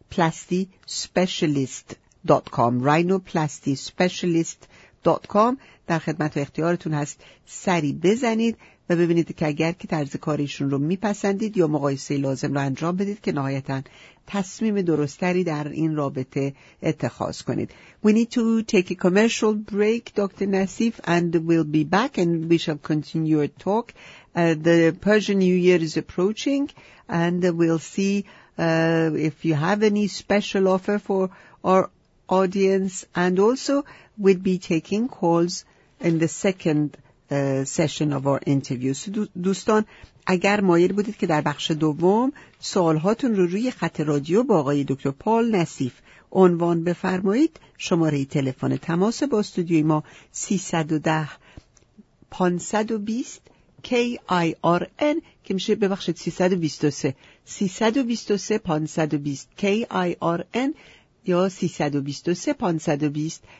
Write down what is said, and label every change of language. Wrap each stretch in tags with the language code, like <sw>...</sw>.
<fa>rhinoplastyspecialist.com rhinoplastyspecialist.com در خدمت و اختیارتون هست. سری بزنید و ببینید که اگر که طرز کاریشون رو میپسندید یا مقایسه لازم رو انجام بدید که نهایتاً تصمیم درستری در این رابطه اتخاذ کنید.</fa> <en>We need to take a commercial break, Dr. Nassif, and we'll be back and we shall continue your talk. The Persian New Year is approaching and we'll see if you have any special offer for our audience, and also we'll be taking calls in the second session of our interview.</en> <fa>So, دوستان اگر مایل بودید که در بخش دوم سوالهاتون رو روی خط رادیو با آقای دکتر پال نصیف عنوان بفرمایید، شماره تلفن تماس با استودیوی ما 310-520-KIRN که میشه ببخشید 323-523-520-KIRN یا 323-520-5476.</fa>